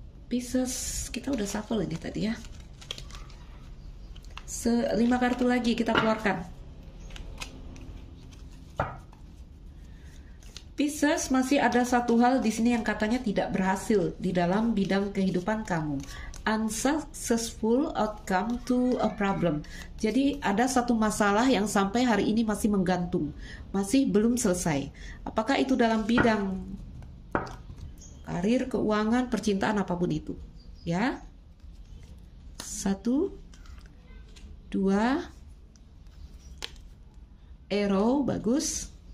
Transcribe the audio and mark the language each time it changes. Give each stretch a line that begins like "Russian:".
Indonesian: Pisces, kita udah shuffle ini tadi ya. 5 kartu lagi kita keluarkan. Pisces, masih ada satu hal di sini yang katanya tidak berhasil di dalam bidang kehidupan kamu.
English: Unsuccessful outcome to a problem.
Indonesian: Jadi ada satu masalah yang sampai hari ini masih menggantung, masih belum selesai. Apakah itu dalam bidang karir, keuangan, percintaan, apapun itu, ya. 1, 2, arrow, bagus.